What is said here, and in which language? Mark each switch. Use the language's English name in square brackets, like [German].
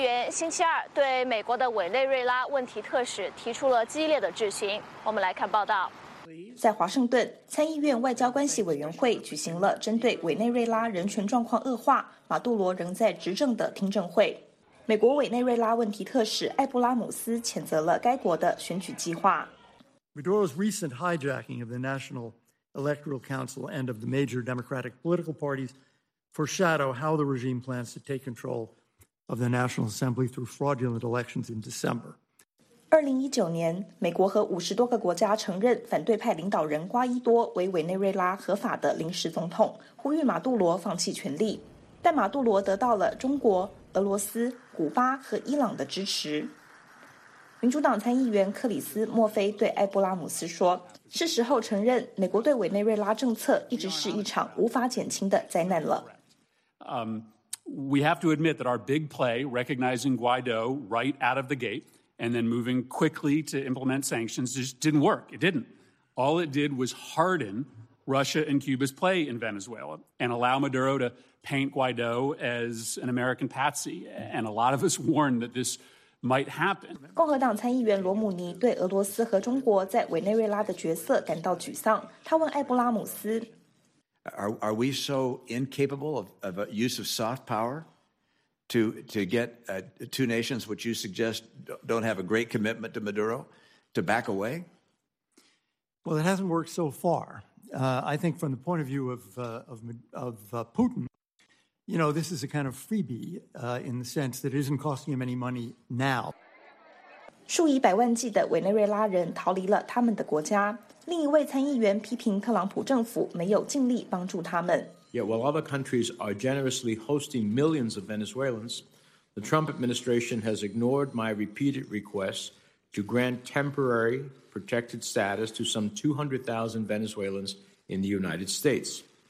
[Chinese] 星期二对美国的委内瑞拉问题特使提出了激烈的质询，我们来看报道。在华盛顿，参议院外交关系委员会举行了针对委内瑞拉人权状况恶化、马杜罗仍在执政的听证会。美国委内瑞拉问题特使艾布拉姆斯谴责了该国的选举计划。 [English] Maduro's recent hijacking of the National Electoral Council and of the major democratic political parties foreshadow how the regime plans to take controlof the National Assembly through fraudulent elections in December. [Chinese] 2019年，美国和50多个国家承认反对派领导人瓜伊多为委内瑞拉合法的临时总统，呼吁马杜罗放弃权力。但马杜罗得到了中国、俄罗斯、古巴和伊朗的支持。民主党参议员克里斯·莫菲对艾布拉姆斯说，是时候承认美国对委内瑞拉政策一直是一场无法减轻的灾难了。 [English] We have to admit that our big play, recognizing Guaido right out of the gate and then moving quickly to implement sanctions, just didn't work. It didn't. All it did was harden Russia and Cuba's play in Venezuela and allow Maduro to paint Guaido as an American patsy. And a lot of us warned that this might happen. [Chinese] 共和党参议员罗姆尼对俄罗斯和中国在委内瑞拉的角色感到沮丧。他问艾布拉姆斯 [English] Are we so incapable of a use of soft power to get two nations, which you suggest don't have a great commitment to Maduro, to back away? Well, it hasn't worked so far. I think from the point of view of Putin,You know, this is a kind of freebie, in the sense that it isn't costing him any money now. [Chinese] 数以百万计的委内瑞拉人逃离了他们的国家。另一位参议员批评特朗普政府没有尽力帮助他们。 [English] Yeah, while other countries are generously hosting millions of Venezuelans, the Trump administration has ignored my repeated requests to grant temporary protected status to some 200,000 Venezuelans in the United States.